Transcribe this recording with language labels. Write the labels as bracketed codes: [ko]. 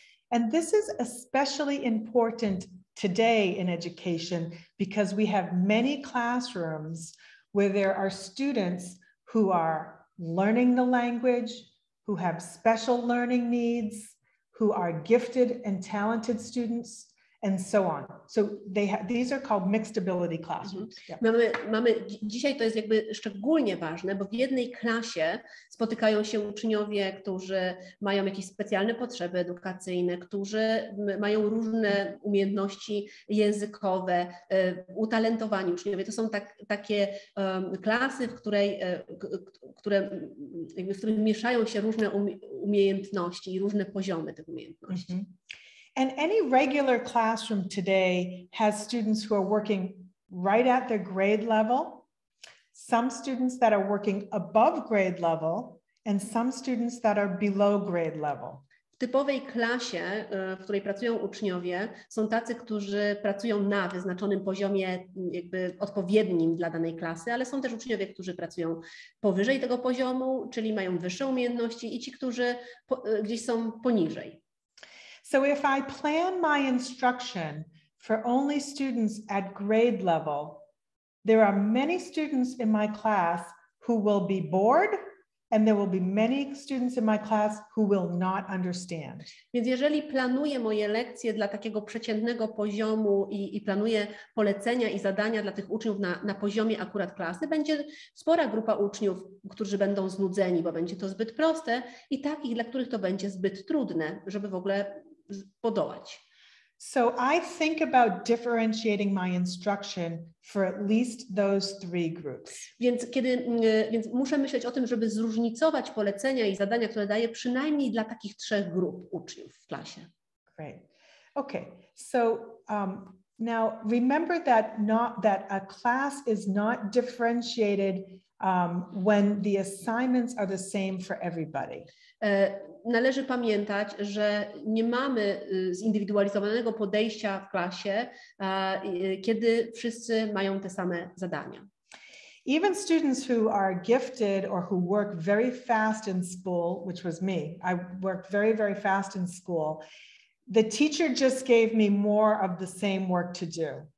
[en] And this is especially important today in education, because we have many classrooms where there are students who are learning the language, who have special learning needs, who are gifted and talented students, and so on. So these are called mixed ability classrooms. Yeah. [pl] Mamy dzisiaj to jest jakby szczególnie ważne, bo w jednej klasie spotykają się uczniowie, którzy mają jakieś specjalne potrzeby edukacyjne, którzy mają różne umiejętności językowe, utalentowani uczniowie. To są takie klasy, w których mieszają się różne umiejętności i różne poziomy tych umiejętności. [en] And any regular classroom today has students who are working right at their grade level, some students that are working above grade level, and some students that are below grade level. [pl] typowej klasie, w której pracują uczniowie, są tacy, którzy pracują na wyznaczonym poziomie jakby odpowiednim dla danej klasy, ale są też uczniowie, którzy pracują powyżej tego poziomu, czyli mają wyższe umiejętności, i ci, którzy gdzieś są poniżej. [en] So if I plan my instruction for only students at grade level, there are many students in my class who will be bored, and there will be many students in my class who will not understand. [pl] Więc jeżeli planuję moje lekcje dla takiego przeciętnego poziomu i planuję polecenia i zadania dla tych uczniów na poziomie akurat klasy, będzie spora grupa uczniów, którzy będą znudzeni, bo będzie to zbyt proste, i takich, dla których to będzie zbyt trudne, żeby w ogóle podołać. [en] So I think about differentiating my instruction for at least those three groups. [pl] Więc muszę myśleć o tym, żeby zróżnicować polecenia i zadania, które daję, przynajmniej dla takich trzech grup uczniów w klasie. [en] Great. Okay. So now remember that a class is not differentiated when the assignments are the same for everybody. [pl] Należy pamiętać, że nie mamy zindywidualizowanego podejścia w klasie, kiedy wszyscy mają te same zadania. [en] Even students who are gifted or who work very fast in school, which was me, I worked very, very fast in school, the teacher just gave me more of the same work to do.